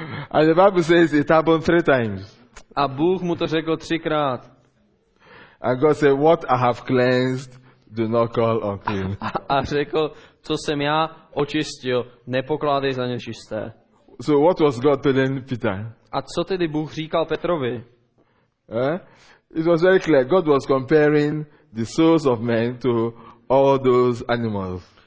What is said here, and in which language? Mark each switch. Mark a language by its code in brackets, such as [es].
[en] And the Bible says it happened three times. [cs] A Bůh mu to řekl třikrát. [en] And God said, what I have cleansed, do not call unclean. [cs] A řekl, co jsem já očistil, nepokládej za nečisté. [en] So what was God telling Peter? [cs] A co tedy Bůh říkal Petrovi? [en] It was very clear. God was comparing the souls of men to all those animals.